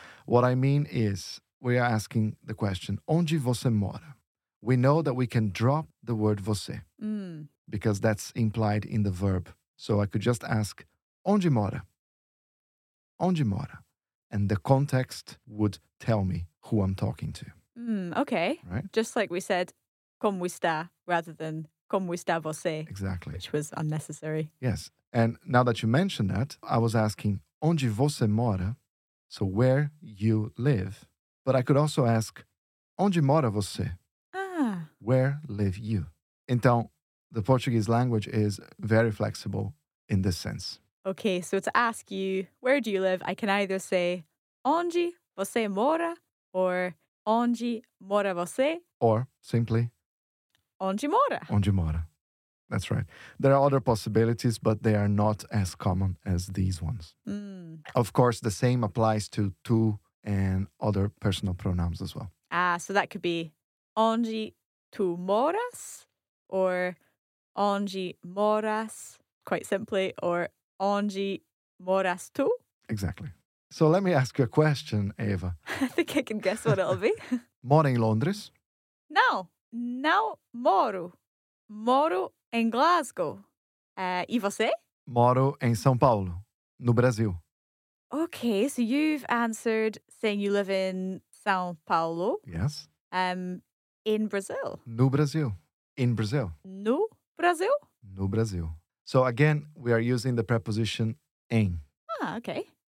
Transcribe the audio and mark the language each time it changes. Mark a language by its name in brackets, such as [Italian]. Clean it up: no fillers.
[English] What I mean is, we are asking the question, [Portuguese] onde você mora? [English] We know that we can drop the word você because that's implied in the verb. So I could just ask, [Portuguese] onde mora? Onde mora? [English] And the context would tell me who I'm talking to. Okay. Right? Just like we said, [Portuguese] como está, [English] rather than [Portuguese] como está você. [English] Exactly. Which was unnecessary. Yes. And now that you mentioned that, I was asking, [Portuguese] onde você mora? [English] So where you live. But I could also ask, [Portuguese] onde mora você? [English] Ah. Where live you? Então, the Portuguese language is very flexible in this sense. Okay, so to ask you, where do you live? I can either say, [Portuguese] onde você mora? Or, onde mora você? [English] Or, simply, [Portuguese] onde mora? Onde mora. [English] That's right. There are other possibilities, but they are not as common as these ones. Mm. Of course, the same applies to tu and other personal pronouns as well. Ah, so that could be, [Portuguese] onde tu moras? Or, onde moras? [English] Quite simply, [Portuguese] or onde moras tu? [English] Exactly. So let me ask you a question, Eva. I think I can guess what it'll be. [Portuguese] Moro em Londres? No, não moro. Moro em Glasgow. E você? Moro em São Paulo, no Brasil. [English] Okay, so you've answered saying you live in São Paulo. Yes. In Brazil. [Portuguese] No Brasil. [English] In Brazil. [Portuguese] No Brasil? No Brasil. [English] So again, we are using the preposition em. Ah, okay.